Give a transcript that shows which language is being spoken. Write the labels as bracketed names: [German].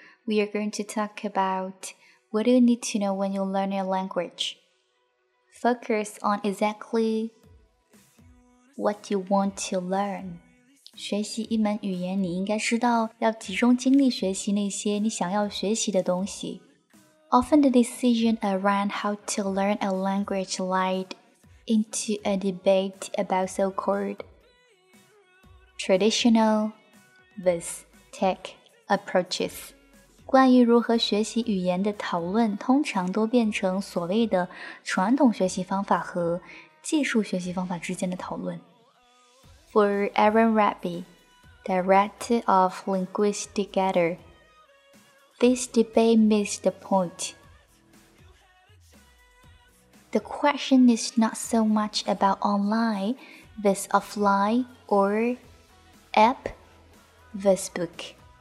[English] We are going to talk about what do you need to know when you learn a language. Focus on exactly what you want to learn. [Chinese] 学习一门语言，你应该知道要集中精力学习那些你想要学习的东西。 [English] Often the decision around how to learn a language lied into a debate about so-called traditional versus tech approaches. [Chinese] 关于如何学习语言的讨论通常都变成所谓的传统学习方法和技术学习方法之间的讨论。 [English] For Aaron Rabi, Director of Linguistic Editor, this debate missed the point. The question is not so much about online versus offline or app versus book.